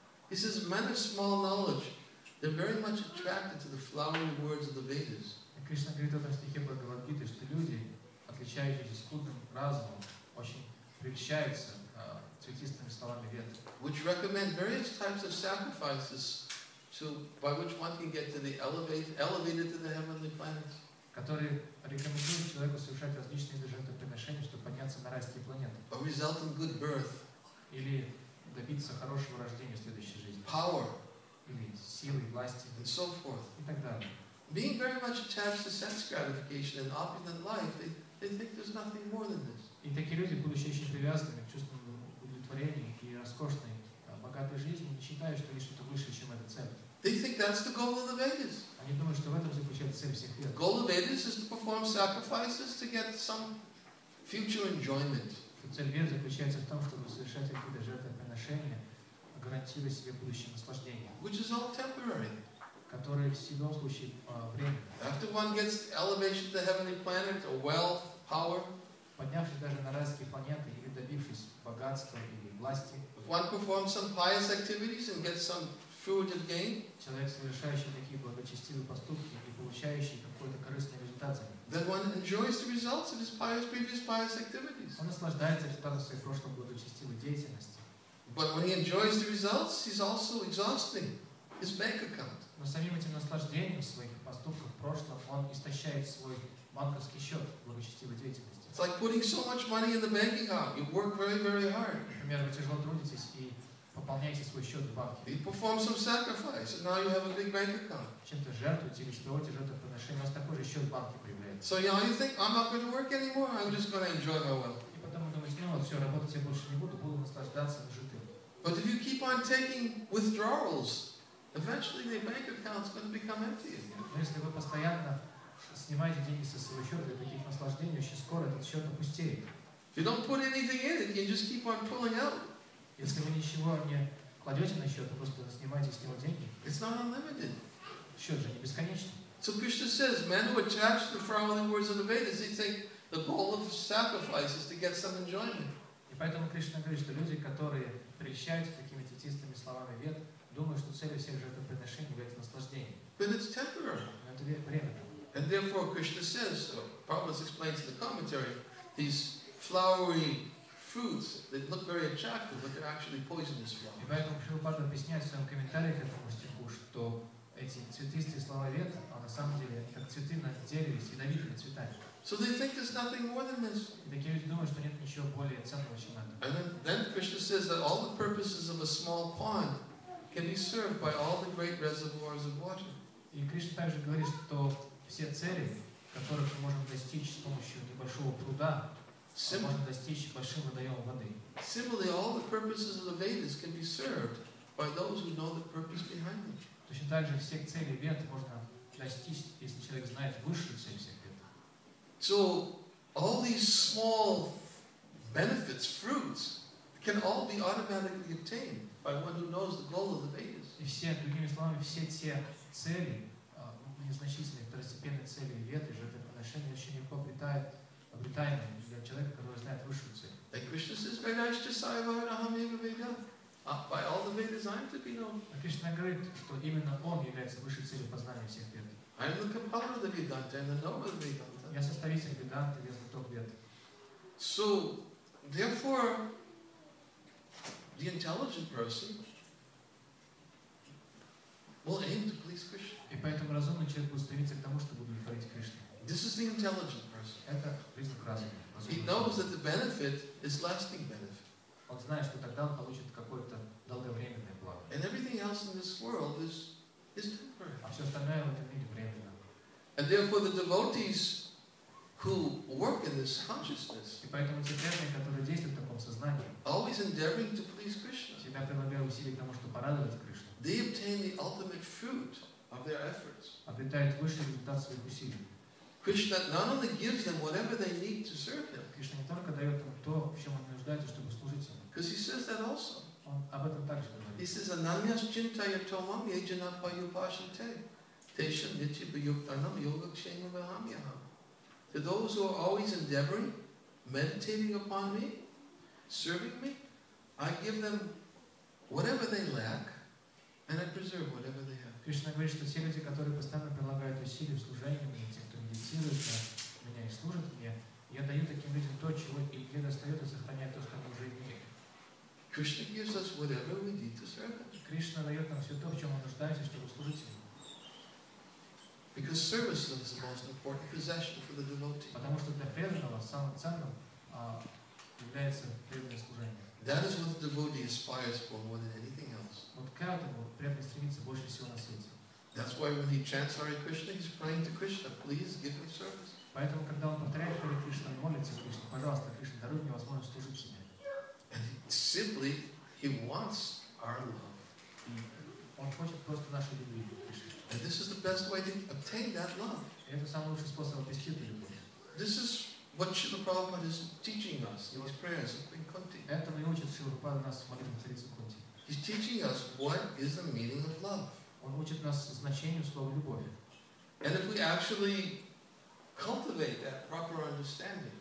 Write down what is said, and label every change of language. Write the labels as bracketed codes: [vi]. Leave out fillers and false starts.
[en] He says men of small knowledge, they're very much attracted to the flowery words of the Vedas. [ru] Кришна говорит в этом стихе Бхагавад Гиты, что люди, отличающиеся скудным разумом, очень прельщаются цветистыми словами Веды. [en] Which recommend various types of sacrifices to by which one can get to the elevated to the heavenly planets. [ru] Которые рекомендуют человеку совершать различные жертвоприношения, чтобы подняться на райские планеты. [en] A result of good birth. [ru] Или добиться хорошего рождения в следующей жизни. [en] Power. [ru] Или силы, власти. [en] And so forth. [ru] И так далее. [en] Being very much attached to sense gratification and opulent life, they think there's nothing more than this. [ru] И такие люди, будучи очень привязанными к чувству удовлетворения и роскошной, богатой жизни, не считают, что есть что-то выше, чем эта цель. [en] They think that's the goal of the Vedas. [ru] Они думают, что в этом заключается цель всех Вед. [en] The goal of Vedas is to perform sacrifices to get some future enjoyment. [ru] Цель Вед заключается в том, чтобы совершать какие-то жертвоприношения, гарантируя себе будущее наслаждение. [en] Which is all temporary. [ru] Которые в любом случае временны. [en] After one gets elevation to the heavenly planet, or wealth, power. [ru] Поднявшись даже на райские планеты или добившись богатства или власти. [en] If one performs some pious activities and gets some fruitive gain. [ru] Человек, совершающий такие благочестивые поступки и получающий какой-то корыстный результат. [en] Then one enjoys the results of his pious previous pious activities. [ru] Он наслаждается результатом своей прошлой благочестивой деятельности. [en] But when he enjoys the results, he's also exhausting his bank account. [ru] Но самим этим наслаждением своих поступков прошлого он истощает свой банковский счет благочестивой деятельности. [en] It's like putting so much money in the bank account. You work very, very hard. [ru] Например, вы тяжело трудитесь и пополняете свой счет в банке. [en] You perform some sacrifice, and now you have a big bank account. [ru] Чем-то жертвуете или строите жертвоприношение, у вас такой же счет в банке появляется. [en] So now you think I'm not going to work anymore. I'm just going to enjoy my wealth. [ru] И потом вы думаете, ну вот все, работать я больше не буду, буду наслаждаться жизнью. [en] But if you keep on taking withdrawals, eventually the bank account's going to become empty. [ru] Но если вы постоянно снимайте деньги со своего счета для таких наслаждений, очень скоро этот счет опустеет. [en] If you don't put anything in it, you just keep on pulling out. [ru] Если вы ничего не кладете на счет, просто снимаете с него деньги. [en] It's not unlimited. [ru] Счет же не бесконечный. [en] So Krishna says, men who attach to the following words of the Vedas, they think the goal of sacrifice is to get some enjoyment. [ru] И поэтому Кришна говорит, что люди, которые прельщаются такими тетистыми словами Вед, думают, что цель всех жертвоприношений является наслаждение. [en] But it's temporary. [ru] Но это временно. [en] And therefore, Krishna says, Prabhupada explains in the commentary, these flowery fruits that look very attractive, but they're actually poisonous flowers. [ru] И поэтому Прабхупада объясняет в своем комментарии к этому стиху, что эти цветистые слова Вед, а на самом деле это как цветы на дереве с ядовитыми цветами. [en] So they think there's nothing more than this. [ru] И такие люди думают, что нет ничего более ценного, чем это. [en] And then Krishna says that all the purposes of a small pond can be served by all the great reservoirs of water. [ru] И Кришна также говорит, что все цели, которых мы можем достичь с помощью небольшого пруда, можно достичь большим водоемом воды. [en] Similarly, all the purposes of the Vedas can be served by those who know the purpose behind them. [ru] Точно так же все цели Вед можно достичь, если человек знает высшую цель всех Вед. [en] So all these small benefits, fruits, can all be automatically obtained by one who knows the goal of the Vedas. [ru] И все, другими словами, все те цели, незначительные второстепенные цели Веды, жертвоприношения, очень легко обретаемы для человека, который знает высшую цель. [en] Like Krishna says, [sa] Vaidashtasaya Varahameva Veda. [en] By all the Vedas I am to be known. [ru] А Кришна говорит, что именно Он является высшей целью познания всех Вед. [en] I am the compiler of the Vedanta and the knower of Vedanta. [ru] Я составитель Веданты, я знаток Вед. [en] So, therefore, the intelligent person will aim to please Krishna. [ru] И поэтому разумный человек будет стремиться к тому, чтобы удовлетворить Кришну. [en] This is the intelligent person. [ru] Это признак разума. [en] He knows that the benefit is lasting benefit. [ru] Он знает, что тогда он получит какое-то долговременное благо. [en] And everything else in this world is temporary. [ru] А все остальное в этом мире временно. [en] And therefore the devotees who work in this consciousness. [ru] И поэтому те преданные, которые действуют в таком сознании. [en] Always endeavoring to please Krishna. [ru] Всегда прилагают усилия к тому, чтобы порадовать Кришну. [en] They obtain the ultimate fruit of their efforts. [ru] Обретают высший результат своих усилий. [en] Krishna not only gives them whatever they need to serve Him. [ru] Кришна не только дает им то, в чем они нуждаются, чтобы служить Ему. [en] Because He says that also. [ru] Он об этом также говорит. [en] He says, [sa] "Ananyas chintaya tomam yajana payupashite tesham nitya payuktanam yoga kshema vahamyaham." [en] To those who are always endeavoring, meditating upon Me, serving Me, I give them whatever they lack. And I preserve whatever they have. [ru] Кришна говорит, что все люди, которые постоянно прилагают усилия в служении мне, те, кто медитирует на меня и служит мне, Я даю таким людям то, чего Илья достает и сохраняет то, что мы уже имеем. [en] Krishna gives us whatever we need to serve him. [ru] Кришна дает нам все то, в чем мы нуждаемся, чтобы служить ему. [en] Because service is the most important possession for the devotee. [ru] Потому что для преданного самым ценным является преданное служение. [en] That is what the devotee aspires for more than anything else. [ru] Вот к этому преданный стремится больше всего на свете. [en] That's why when he chants Hare Krishna, he's praying to Krishna, please give me service. [ru] Поэтому, когда он повторяет Хари Кришна, молится Кришне, пожалуйста, Кришна, даруй мне возможность служить себе. [en] And simply, he wants our love. [ru] Он хочет просто нашей любви, Кришна. [en] And this is the best way to obtain that love. [ru] И это самый лучший способ обрести эту любовь. [en] This is what Śrīla Prabhupāda is teaching us in his prayers of Queen Kunti. [ru] Этому и учит Śrīla Prabhupāda нас в молитве царицы Кунти. [en] He's teaching us what is the meaning of love. [ru] Он учит нас значению слова любовь. [en] And if we actually cultivate that proper understanding.